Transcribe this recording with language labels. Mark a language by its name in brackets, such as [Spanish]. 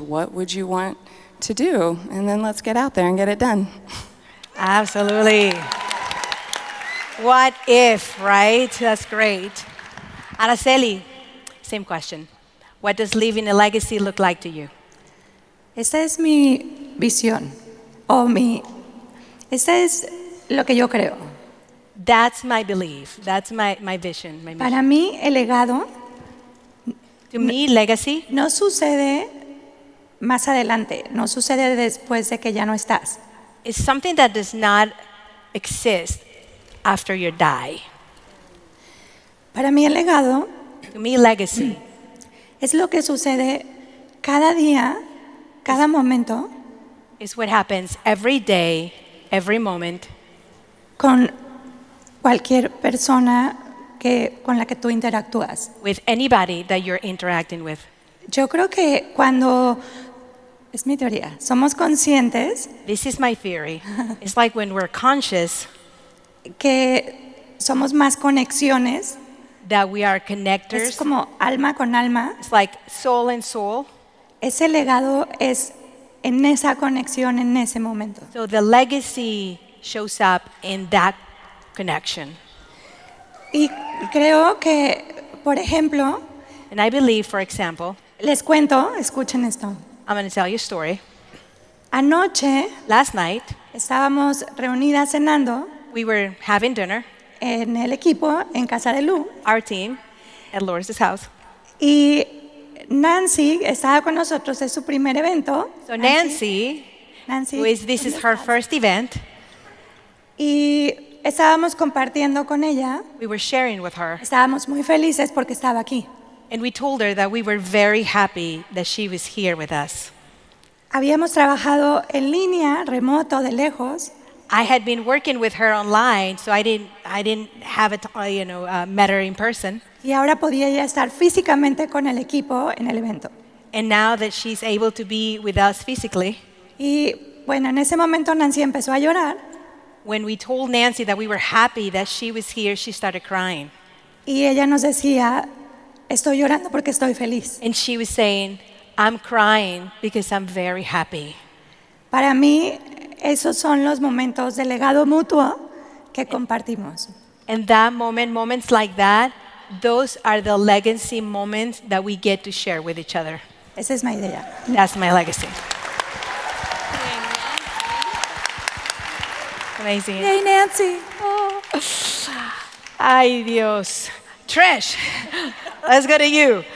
[English] What would you want to do? And then let's get out there and get it done. Absolutely. What if, right? That's great. Araceli, same question. What does leaving a legacy look like to you? [Spanish] Esa es mi visión, o mi, esa es lo que yo creo. [English] That's my belief, that's my vision, my mission. [Spanish] Para mí, el legado, [English] to me, legacy, [Spanish] no sucede más adelante, no sucede después de que ya no estás. [English] It's something that does not exist after you die. [Spanish] Para mí, el legado, [English] to me, legacy, [Spanish] es lo que sucede cada día. Cada momento [English] is what happens every day, every moment, [Spanish] con cualquier persona que con la que tú interactúas. [English] With anybody that you're interacting with. [Spanish] Yo creo que cuando es mi teoría, somos conscientes. [English] This is my theory. It's like when we're conscious [Spanish] que somos más conexiones. [English] That we are connectors. [Spanish] Es como alma con alma. [English] It's like soul and soul. [Spanish] Ese legado es en esa conexión, en ese momento. [English] So the legacy shows up in that connection. [Spanish] Y creo que, por ejemplo, [English] and I believe, for example, [Spanish] les cuento, escuchen esto. [English] I'm going to tell you a story. [Spanish] Anoche, [English] last night, [Spanish] estábamos reunidas cenando. [English] We were having dinner. [Spanish] En el equipo, en casa de Lu. [English] Our team, at Lourdes' house. [Spanish] Y Nancy estaba con nosotros, es su primer evento. [English] So Nancy, who is, this is her first event. [Spanish] Y estábamos compartiendo con ella. [English] We were sharing with her. [Spanish] Estábamos muy felices porque estaba aquí. [English] And we told her that we were very happy that she was here with us. [Spanish] Habíamos trabajado en línea, remoto, de lejos. [English] I had been working with her online, so I didn't have it, you know, met her in person. [Spanish] Y ahora podía ya estar físicamente con el equipo en el evento. [English] And now that she's able to be with us physically. [Spanish] Y bueno, en ese momento Nancy empezó a llorar. [English] When we told Nancy that we were happy that she was here, she started crying. [Spanish] Y ella nos decía, estoy llorando porque estoy feliz. [English] And she was saying, I'm crying because I'm very happy. [Spanish] Para mí, esos son los momentos de legado mutuo que compartimos. [English] And that moment, moments like that, those are the legacy moments that we get to share with each other. [Spanish] Esa es mi idea. [English] That's my legacy. Amazing. Yay, Nancy. Oh. [Spanish] Ay, Dios. [English] Trish, let's go to you.